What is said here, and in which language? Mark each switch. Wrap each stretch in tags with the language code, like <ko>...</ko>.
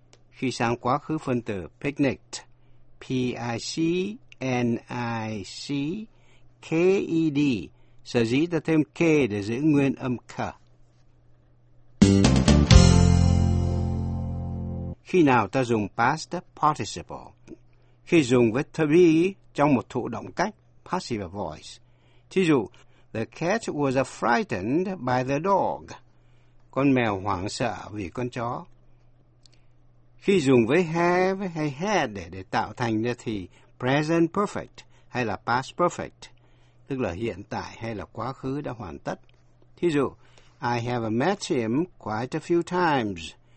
<vi>Khi sang quá khứ phân từ picnicked, P-I-C-N-I-C-K-E-D. Sở dĩ ta thêm K để giữ nguyên âm K. Khi nào ta dùng past participle? Khi dùng với to be trong một thụ động cách, passive voice. Thí dụ,</vi> <en>the cat was frightened by the dog.</en> <vi>Con mèo hoảng sợ vì con chó. Khi dùng với have hay had để tạo thành ra thì present perfect hay là past perfect, tức là hiện tại hay là quá khứ đã hoàn tất. Thí dụ,</vi> <en>I have met him quite a few times.</en>